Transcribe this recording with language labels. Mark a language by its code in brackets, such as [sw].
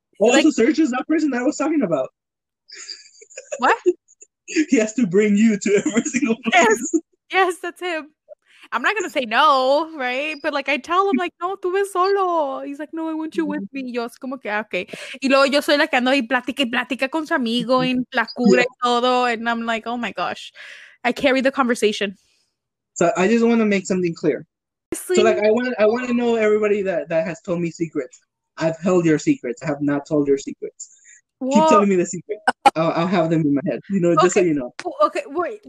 [en] Also, like, Sergio's that person that I was talking about. What? He has to bring you to every single place. Yes, that's him. I'm not going to say no, right? But, like, I tell him, like, [es] no, tú ves solo. [en] He's like, no, I want you with me. [es] Yo, es como que, okay. Y luego yo soy la que ando y platica con su amigo y la cura y todo. [en] And I'm like, oh, my gosh. I carry the conversation. So I just want to make something clear. Honestly, so, like, I want to know everybody that has told me secrets. I've held your secrets. I have not told your secrets. Keep telling me the secret. I'll have them in my head. You know, just okay. So you know. Okay, wait.